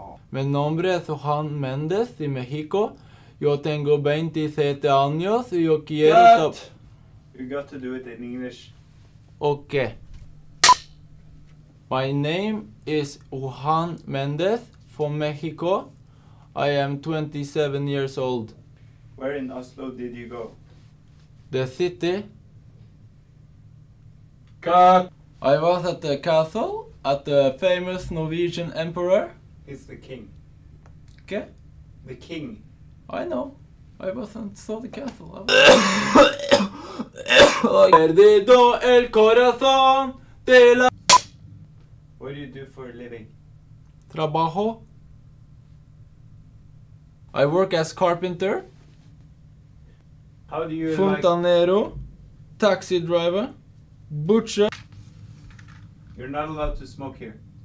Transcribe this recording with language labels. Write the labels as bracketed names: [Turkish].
[Spanish] Mi nombre es Juan Méndez y México. Yo tengo 27 años y yo quiero... [English] Good! You got to do it in English. Okay. My name is Juan Méndez from Mexico. I am 27 years old. Where in Oslo did you go? The city. Cut! I was at the castle at the famous Norwegian emperor. He's the king. Okay. The king. I know. I wasn't saw the castle. [Spanish] Perdido el corazón de la. [English] What do you do for a living? [Spanish] Trabajo. [English] I work as carpenter. How do you [Spanish] Fontanero, [English] like? Taxi driver, butcher. You're not allowed to smoke here.